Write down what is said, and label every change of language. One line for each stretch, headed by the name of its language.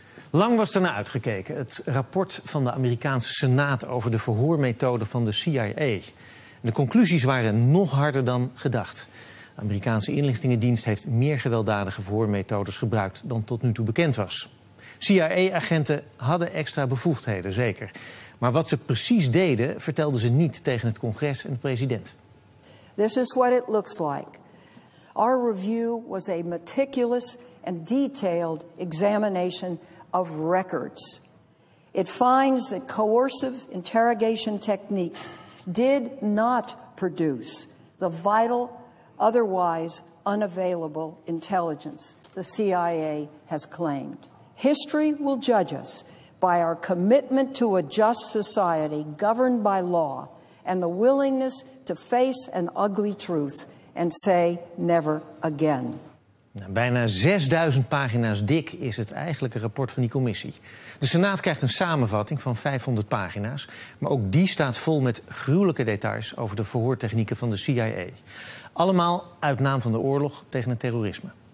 Dutch: Lang was ernaar uitgekeken, het rapport van de Amerikaanse Senaat over de verhoormethode van de CIA. De conclusies waren nog harder dan gedacht. De Amerikaanse inlichtingendienst heeft meer gewelddadige voormethodes gebruikt dan tot nu toe bekend was. CIA-agenten hadden extra bevoegdheden, zeker. Maar wat ze precies deden, vertelden ze niet tegen het congres en de president.
English: This is what it looks like. Our review was a meticulous and detailed examination of records. It finds that coercive interrogation techniques did not produce the vital, otherwise unavailable intelligence the CIA has claimed. History will judge us by our commitment to a just society governed by law and the willingness to face an ugly truth and say never again.
Dutch: Nou, bijna 6000 pagina's dik is het eigenlijke rapport van die commissie. De Senaat krijgt een samenvatting van 500 pagina's, maar ook die staat vol met gruwelijke details over de verhoortechnieken van de CIA. Allemaal uit naam van de oorlog tegen het terrorisme.